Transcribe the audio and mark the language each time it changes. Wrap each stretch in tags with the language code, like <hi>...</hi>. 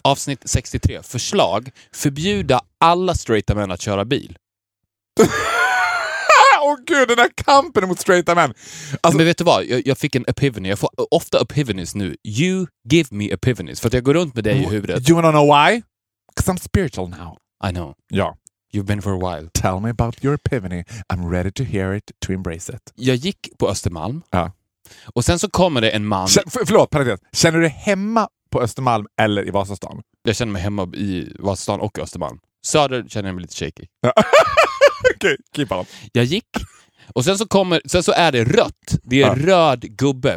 <sv>Avsnitt 63. Förslag. Förbjuda alla straighta män att köra bil. Åh gud, den här kampen mot straighta män. Alltså... Men vet du vad? Jag fick en epiphany. Jag får ofta epiphanies nu.</sv> <en>You give me epiphanies.</en> <sv>För att jag går runt med dig i huvudet.</sv> <en>Do you wanna know why? Because I'm spiritual now. I know.</en> <sv>Ja.</sv> <en>You've been for a while. Tell me about your epiphany. I'm ready to hear it, to embrace it.</en> <sv>Jag gick på Östermalm. Ja. Och sen så kommer det en man... Förlåt, känner du dig hemma på Östermalm eller i Vasastan? Jag känner mig hemma i Vasastan och Östermalm. Söder känner jag mig lite shaky. Ja. Okej,</sv> <en>okay, keep on.</en> <sv>Jag gick. Och sen så är det rött. Det är röd gubbe.</sv>